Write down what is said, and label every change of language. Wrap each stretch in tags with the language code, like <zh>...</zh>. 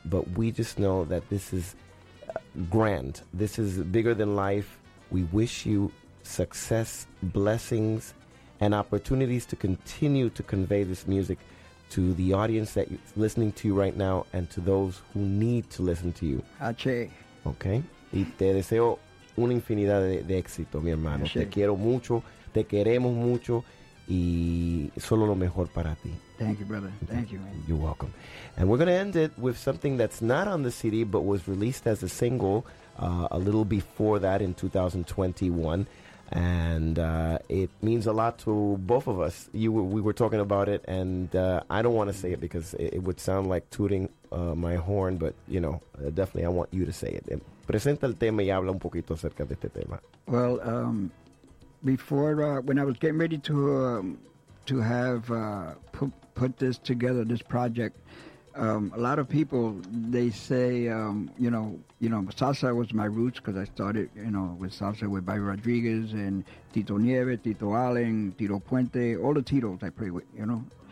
<en>But we just know that this is grand. This is bigger than life. We wish you success, blessings, and opportunities to continue to convey this music to the audience that is listening to you right now and to those who need to listen to you.</en> <es>Ache.</es> <en>Okay.</en> <es>Y te deseo una infinidad de éxito, mi hermano. Ache. Te quiero mucho. Te queremos mucho. Y solo lo mejor para ti.</es> <en>Thank you, brother. Thank you, man. You're welcome. And we're going to end it with something that's not on the CD but was released as a single a little before that in 2021. And it means a lot to both of us. We were talking about it, and I don't want to say it because it would sound like tooting my horn, but, you know, definitely I want you to say it.</en> <es>Presenta el tema y habla un poquito acerca de este tema.</es> <en>Well, when I was getting ready to put this together, this project, a lot of people, they say, you know, salsa was my roots because I started, you know, with salsa with Bobby Rodriguez and Tito Nieves, Tito Allen, Tito Puente, all the Titos I play with, you know.</en>